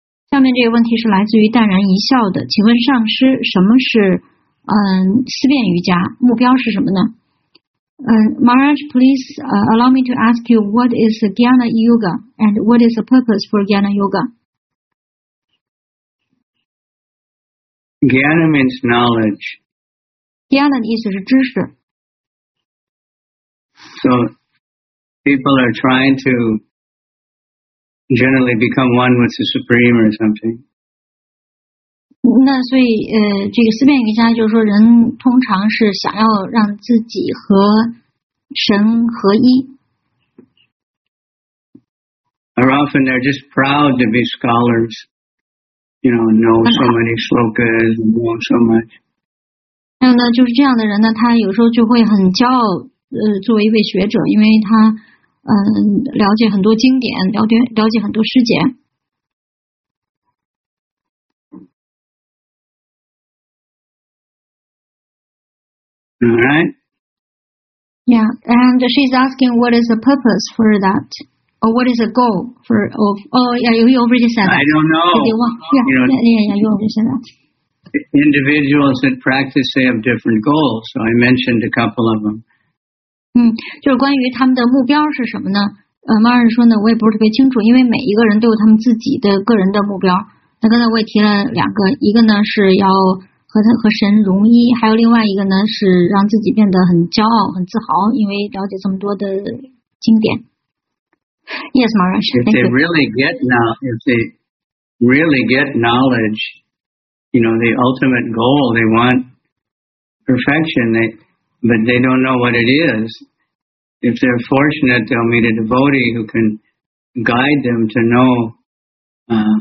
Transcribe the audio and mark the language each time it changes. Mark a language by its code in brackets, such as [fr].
[zh] 下面这个问题是来自于淡然一笑的，请问上师，什么是思辨瑜伽？目标是什么呢？ [en] Maharaj, please allow me to ask you, what is Jnana Yoga and what is the purpose for Jnana Yoga? Gyana means knowledge. [zh] Gyana 的意思是知识。 [en] So, people are trying to generally become one with the Supreme or something. [zh] 那所以这个思辨瑜伽就是说人通常是想要让自己和神合一。 [en] Or often they're just proud to be scholars, you know so many slokas, know so much. [zh] 那呢就是这样的人呢他有时候就会很骄傲作为一位学者因为他了解很多经典了解很多师解。 [en] Alright. Yeah, and she's asking what is the purpose for that? Or what is the goal for, you already said that. I don't know. You already said that. Individuals that practice, they have different goals. So I mentioned a couple of them. [zh] 就是关于他们的目标是什么呢？马尔说呢，我也不是特别清楚，因为每一个人都有他们自己的个人的目标。那刚才我也提了两个，一个呢是要和他和神融一，还有另外一个呢，是让自己变得很骄傲、很自豪，因为了解这么多的经典。 [en] Yes, Maharaj. If they really get knowledge, you know, the ultimate goal, they want perfection. But they don't know what it is. If they're fortunate, they'll meet a devotee who can guide them to know.